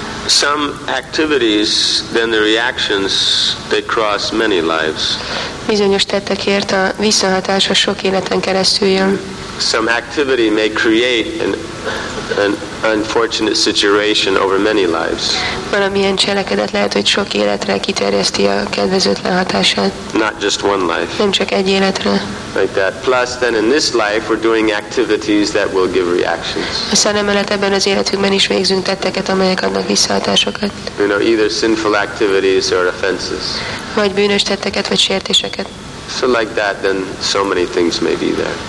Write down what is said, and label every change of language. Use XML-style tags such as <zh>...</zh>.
<en>some activities, then the reactions, they cross many lives.</en> <hu>Bizonyos tettekért a visszahatása sok életen keresztül jön.</hu> <en>Some activity may create an unfortunate situation over many lives.</en> <hu>Valamilyen cselekedet lehet, hogy sok életre kiterjeszti a kedvezőtlen hatását.</hu> <en>Not just one life.</en> <hu>Nem csak egy életre.</hu> <en>Like that. Plus, then in this life we're doing activities that will give reactions.</en> <hu>Aztán emellett ebben az életünkben is végzünk tetteket, amelyek adnak visszahatásokat.</hu> <en>You know, either sinful activities or offenses.</en> <hu>Vagy bűnös tetteket, vagy sértéseket.</hu> <en>So like that, then so many things may be there.</en>